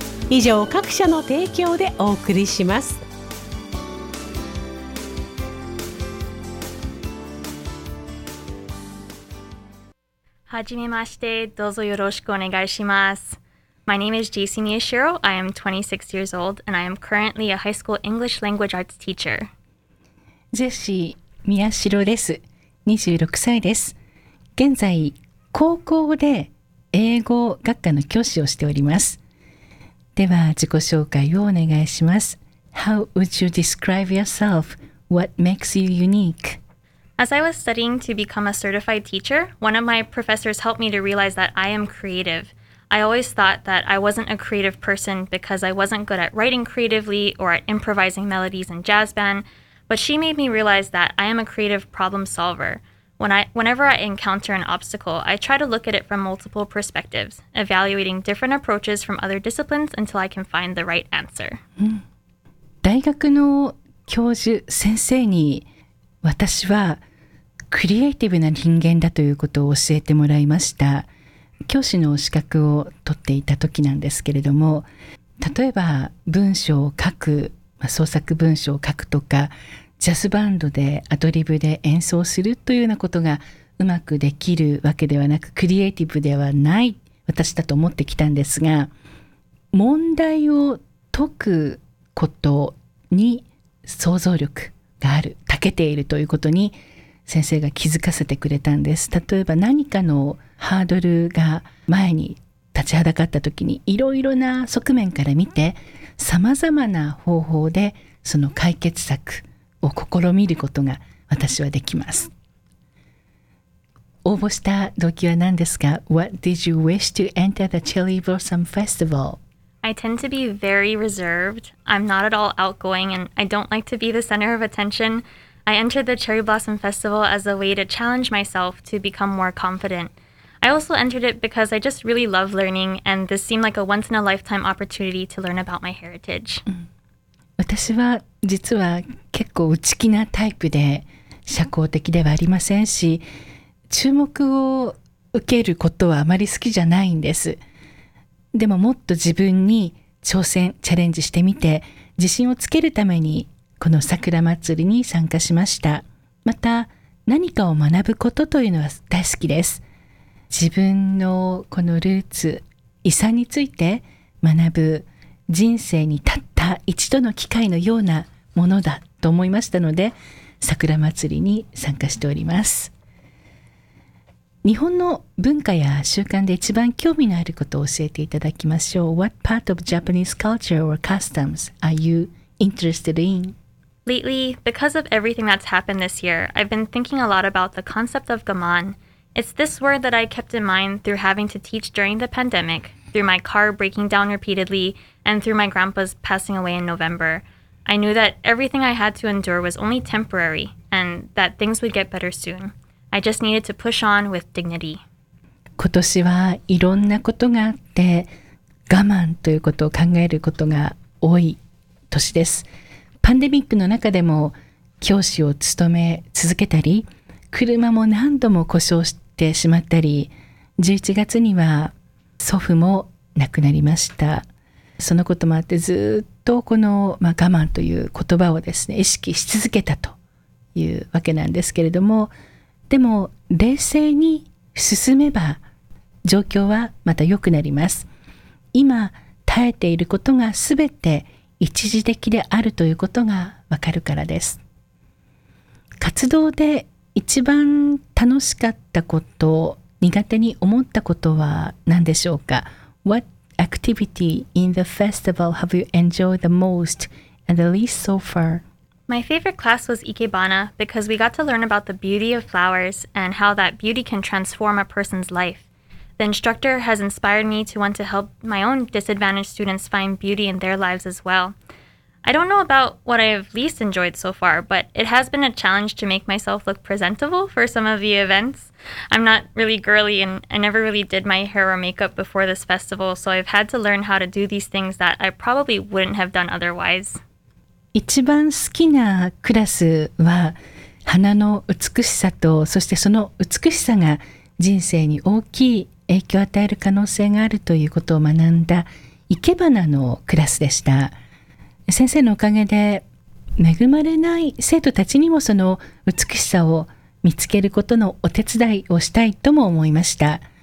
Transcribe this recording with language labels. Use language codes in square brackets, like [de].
[ja] 以上各社の提供でお送りします。はじめまして、どうぞよろしくお願いします。 [en] My name is JC Miyashiro. I am 26 years old and I am currently a high school English language arts teacher [ja] ジェシー・ミヤシロです。26歳です。現在、高校で英語学科の教師をしております。では、自己紹介をお願いします。 [en] How would you describe yourself? What makes you unique? As I was studying to become a certified teacher, one of my professors helped me to realize that I am creative. I always thought that I wasn't a creative person because I wasn't good at writing creatively or at improvising melodies in jazz band. But she made me realize that I am a creative problem solver. Whenever I encounter an obstacle, I try to look at it from multiple perspectives, evaluating different approaches from other disciplines until I can find the right answer.、 [ja] 大学の教授先生に私はクリエイティブな人間だということを教えてもらいました。教師の資格を取っていた時なんですけれども、例えば文章を書く、創作文章を書くとか、ジャズバンドでアドリブで演奏するというようなことがうまくできるわけではなく、クリエイティブではない私だと思ってきたんですが、問題を解くことに想像力がある、長けているということに先生が気づかせてくれたんです。例えば何かのハードルが前に立ちはだかった時に、いろいろな側面から見て、さまざまな方法でその解決策を試みることが私はできます。応募した動機は何ですか？ [en] What did you wish to enter the Cherry Blossom Festival? I tend to be very reserved. I'm not at all outgoing and I don't like to be the center of attention. I entered the Cherry Blossom Festival as a way to challenge myself to become more confident. I also entered it because I just really love learning, and this seemed like a once-in-a-lifetime opportunity to learn about my heritage.、 [ja] 私は実は結構内気なタイプで、社交的ではありませんし、注目を受けることはあまり好きじゃないんです。でももっと自分に挑戦、チャレンジしてみて、自信をつけるためにこの桜祭りに参加しました。また何かを学ぶことというのは大好きです。自分のこのルーツ、遺産について学ぶ、人生にたった一度の機会のようなものだと思いましたので、桜祭りに参加しております。日本の文化や習慣で一番興味のあることを教えていただきましょう。 [en] What part of Japanese culture or customs are you interested in? Lately, because of everything that's happened this year, I've been thinking a lot about the concept of gaman. It's this word that I kept in mind through having to teach during the pandemic, through my car breaking down repeatedly, and through my grandpa's passing away in November. I knew that everything I had to endure was only temporary, and that things would get better soon. I just needed to push on with dignity. [ja] 今年はいろんなことがあって、我慢ということを考えることが多い年です。パンデミックの中でも教師を務め続けたり、車も何度も故障してしまったり、11月には祖父も亡くなりました。そのこともあって、ずっとこの、我慢という言葉をですね、意識し続けたというわけなんですけれども、でも冷静に進めば状況はまた良くなります。今耐えていることが全て一時的であるということがわかるからです。活動で一番楽しかったこと、苦手に思ったことは何でしょうか? [en] What activity in the festival have you enjoyed the most and the least so far? My favorite class was Ikebana because we got to learn about the beauty of flowers and how that beauty can transform a person's life. The instructor has inspired me to want to help my own disadvantaged students find beauty in their lives as well. I don't know about what I have least enjoyed so far, but it has been a challenge to make myself look presentable for some of the events. I'm not really girly and I never really did my hair or makeup before this festival, so I've had to learn how to do these things that I probably wouldn't have done otherwise. [ja] 一番好きなクラスは花の美しさと、そしてその美しさが人生に大きい影響を与える可能性があるということを学んだ生け花のクラスでした。先生のおかげで恵まれない生徒たちにもその美しさを見つけることのお手伝いをしたいとも思いました。